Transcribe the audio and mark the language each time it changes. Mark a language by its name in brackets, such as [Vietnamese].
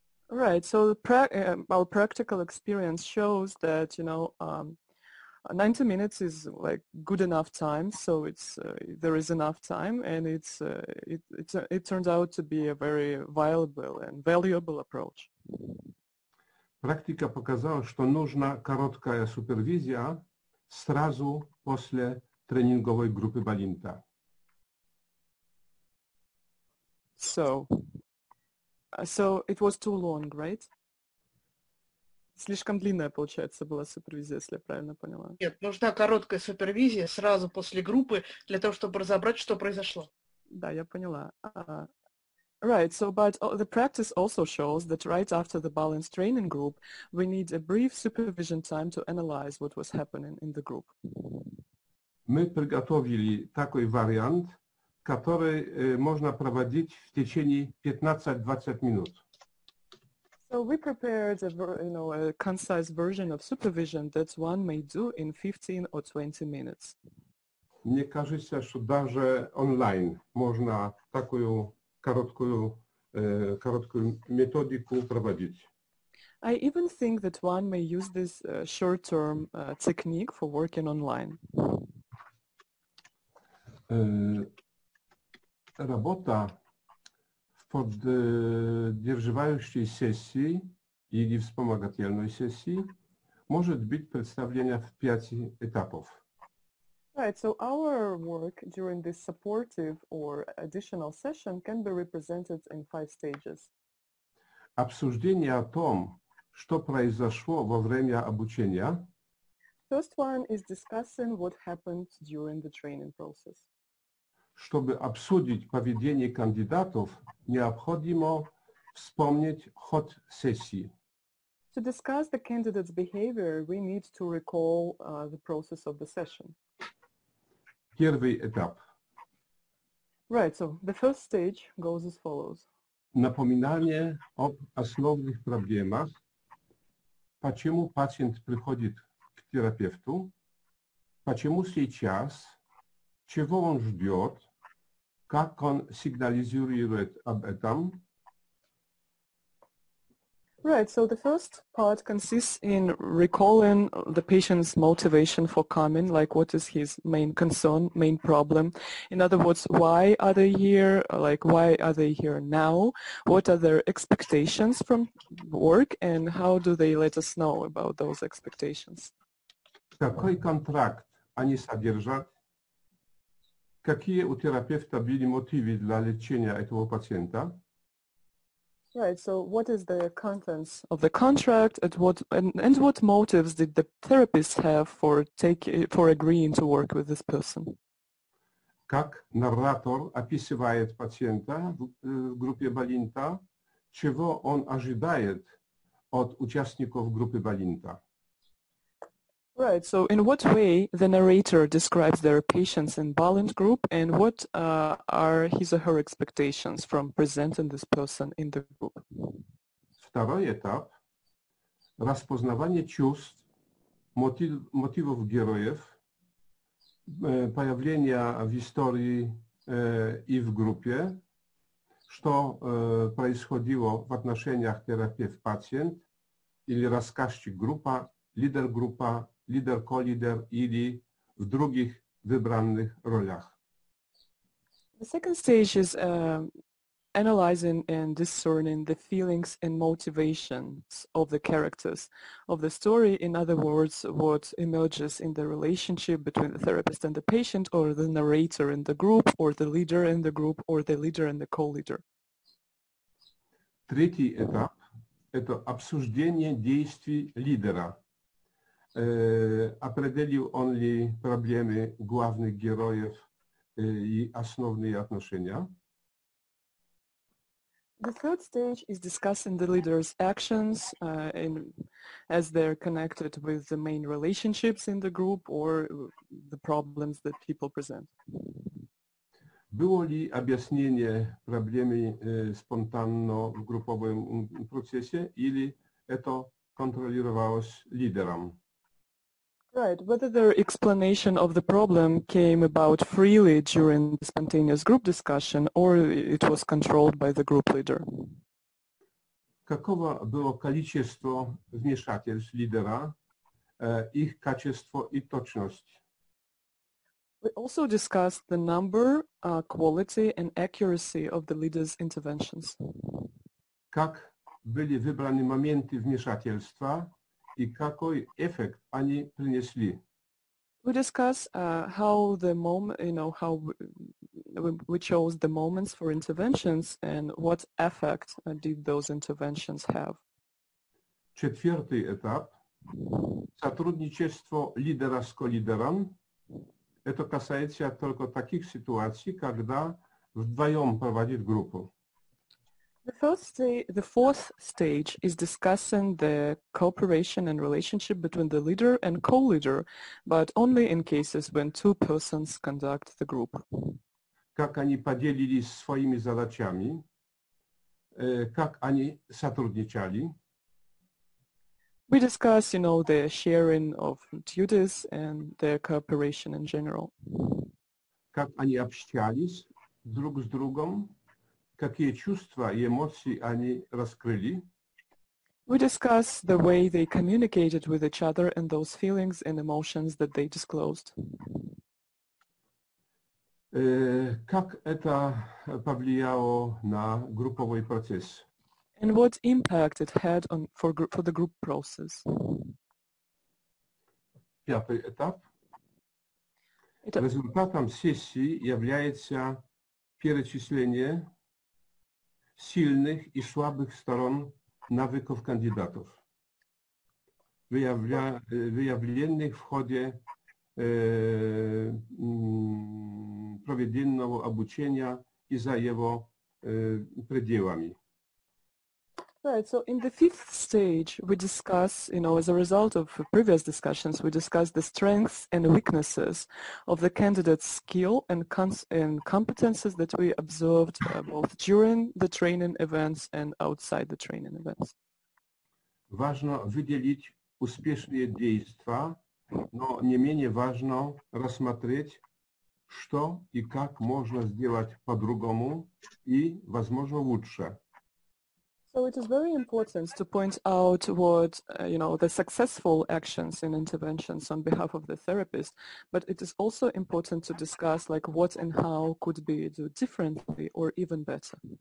[English] Right, so our practical experience shows that, you know, 90 minutes is like good enough time, so it's there is enough time, and it turns out to be a very viable and valuable approach. [Russian] Практика показала, что нужна короткая супервизия сразу после тренинговой группы Балинта. [English] So it was too long, right? [Russian] Слишком длинная, получается, была супервизия, если я правильно поняла. Нет, нужна короткая супервизия сразу после группы для того, чтобы разобрать, что произошло. Да, я поняла. [English] Right, so, but the practice also shows that right after the balance training group, we need a brief supervision time to analyze what was happening in the group. [Russian] Мы приготовили такой вариант, который можно проводить в течение 15-20 минут. [English] So we prepared a concise version of supervision that one may do in 15 or 20 minutes. [Russian] Мне кажется, что даже онлайн можно такую короткую методику проводить. [English] I even think that one may use this short-term technique for working online. [Russian] Работа под держивающей сессии или вспомогательной сессии может быть представлена в 5 этапов. [English] Right, so our work during this supportive or additional session can be represented in 5 stages. [Russian] Обсуждение о том, что произошло во время обучения. [English] First one is discussing what happened during the training process. [Russian] Чтобы обсудить поведение кандидатов, необходимо вспомнить ход сессии. [English] To discuss the candidate's behavior, we need to recall the process of the session. [Russian] Первый этап. [English] Right, so the first stage goes as follows. [Russian] Напоминание об основных проблемах. Почему пациент приходит к терапевту? Почему сейчас? Чего он ждет? как он сигнализирует об этом? [English] Right, so the first part consists in recalling the patient's motivation for coming, like what is his main concern, main problem. In other words, why are they here? Like, why are they here now? What are their expectations from work, and how do they let us know about those expectations? [Russian] Какой контракт они содержат? Какие у терапевта были мотивы для лечения этого пациента? [English] Right, so what is the contents of the contract, and what motives did the therapist have for agreeing to work with this person? [Russian] Как нарратор описывает пациента в группе Балинта, чего он ожидает от участников группы Балинта? [English] Right, so in what way the narrator describes their patients in Balint group, and what are his or her expectations from presenting this person in the group? [Russian] Второй этап – распознавание чувств, мотивов героев, появления в истории и в группе, что происходило в отношениях терапевт-пациент или рассказчик группа, лидер группа, лидер, ко-лидер или в других выбранных ролях. [English] The second stage is analyzing and discerning the feelings and motivations of the characters of the story. In other words, what emerges in the relationship between the therapist and the patient, or the narrator in the group, or the leader in the group, or the leader and the ко-лидер. [Russian] Третий этап – это обсуждение действий лидера. Определил он ли проблемы главных героев и основные отношения? [English] The third stage is discussing the leader's actions in, as they're connected with the main relationships in the group or the problems that people present. [Russian] Было ли объяснение проблемы спонтанно в групповом процессе или это контролировалось лидером? [English] Right, whether their explanation of the problem came about freely during the spontaneous group discussion, or it was controlled by the group leader. [Russian] Каково было количество вмешательств лидера, их качество и точность? [English] We also discussed the number, quality and accuracy of the leader's interventions. [Russian] Как были выбраны моменты вмешательства? И какой эффект они принесли? [English] We discuss how the moment, you know, how we chose the moments for interventions and what effect did those interventions have. [Russian] Четвертый этап – сотрудничество лидера с ко-лидером. Это касается только таких ситуаций, когда вдвоем проводит группу. [English] The fourth stage is discussing the cooperation and relationship between the leader and co-leader, but only in cases when two persons conduct the group. [Russian] Как они поделились своими задачами? Как они сотрудничали? [English] We discuss, you know, the sharing of duties and their cooperation in general. [Russian] Как они общались друг с другом? Какие чувства и эмоции они раскрыли? [English] We discuss the way they communicated with each other and those feelings and emotions that they disclosed. [Russian] Как это повлияло на групповой процесс? [English] And what impact it had on for the group process? [Russian] Пятый этап. Результатом сессии является перечисление сильных и слабых сторон навыков кандидатов, выявленных в ходе проведенного обучения и за его пределами. [English] Right, so in the fifth stage, we discuss, you know, as a result of previous discussions, we discuss the strengths and weaknesses of the candidate's skill and competences that we observed both during the training events and outside the training events. [Russian] Важно выделить успешные действия, но не менее важно рассмотреть что и как можно сделать по-другому и, возможно, лучше. [English] So it is very important to point out what, you know, the successful actions and interventions on behalf of the therapist, but it is also important to discuss, like, what and how could be do differently or even better.